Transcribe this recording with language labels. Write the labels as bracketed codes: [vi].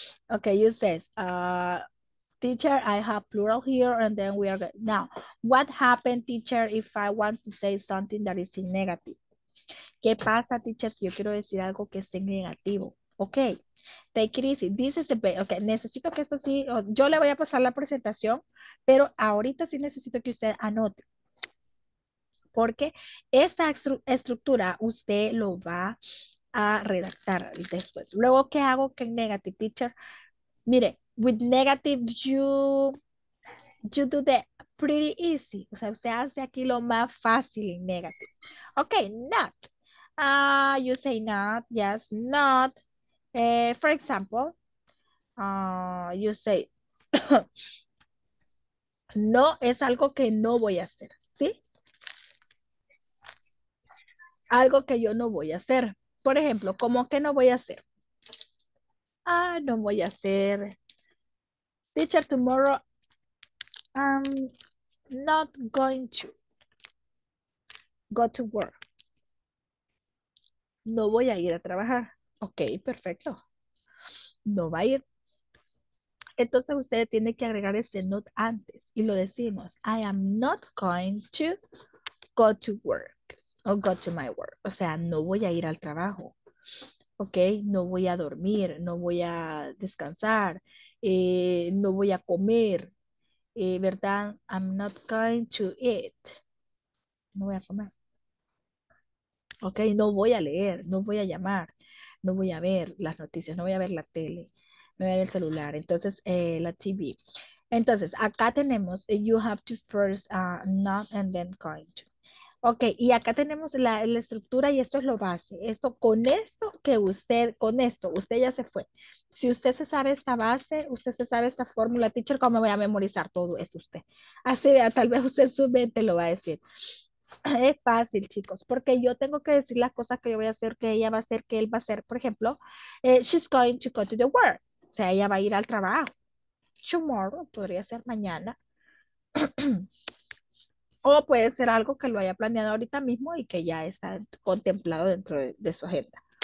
[en] Ok, you say, teacher, I have plural here, and then we are going. Now, what happened, teacher, if I want to say something that is in negative? [es] ¿Qué pasa, teacher, si yo quiero decir algo que esté en negativo? [en] Ok, take it easy, this is the best. [es] Ok, necesito que esto sí, yo le voy a pasar la presentación, pero ahorita sí necesito que usted anote. Porque esta estructura usted lo va a redactar después. Luego, ¿qué hago con negative, teacher? Mire, [en] with negative, you do the pretty easy. [es] O sea, usted hace aquí lo más fácil en negative. [en] Ok, not. You say not. Yes, not. For example, you say, [es] no es algo que no voy a hacer. ¿Sí? Algo que yo no voy a hacer. Por ejemplo, ¿cómo que no voy a hacer? Ah, no voy a hacer. [en] Teacher, tomorrow I'm not going to go to work. [es] No voy a ir a trabajar. Ok, perfecto. No va a ir. Entonces usted tiene que agregar ese not antes y lo decimos. [en] I am not going to go to work. Oh, go to my work. [es] O sea, no voy a ir al trabajo. Ok, no voy a dormir, no voy a descansar, no voy a comer. ¿verdad? [en] I'm not going to eat. [es] No voy a comer. Ok, no voy a leer, no voy a llamar, no voy a ver las noticias, no voy a ver la tele, no voy a ver el celular. Entonces, la TV. Entonces, acá tenemos, [en] you have to first not and then going to. [es] Ok, y acá tenemos la estructura y esto es lo base. Esto, con esto que usted, con esto, usted ya se fue. Si usted se sabe esta base, usted se sabe esta fórmula, teacher, ¿cómo me voy a memorizar todo? Es usted. Así, ya, tal vez usted su mente lo va a decir. Es fácil, chicos, porque yo tengo que decir las cosas que yo voy a hacer, que ella va a hacer, que él va a hacer. Por ejemplo, [en] she's going to go to the work. [es] O sea, ella va a ir al trabajo. Tomorrow, podría ser mañana. O puede ser algo que lo haya planeado ahorita mismo y que ya está contemplado dentro de su agenda.